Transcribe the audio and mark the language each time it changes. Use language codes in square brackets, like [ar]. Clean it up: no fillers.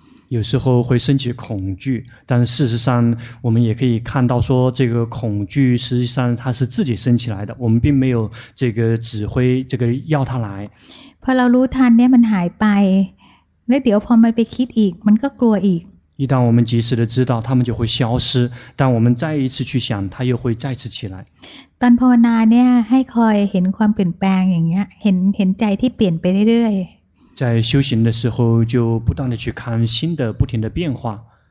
[zh] 有时候会升起恐惧，但事实上我们也可以看到说这个恐惧实际上它是自己升起来的，我们并没有这个指挥这个要它来。 [th] พอเรารู้ทันเนี่ยมันหายไปแล้วเดี๋ยวพอมันไปคิดอีกมันก็กลัวอีก [zh] 一旦我们及时的知道他们就会消失，但我们再一次去想他又会再次起来。 [th] ตอนภาวนาเนี่ยให้คอยเห็นความเปลี่ยนแปลงอย่างเงี้ยเห็นใจที่เปลี่ยนไปเรื่อย [zh] 在修行的时候就不断的去看心的不停的变化。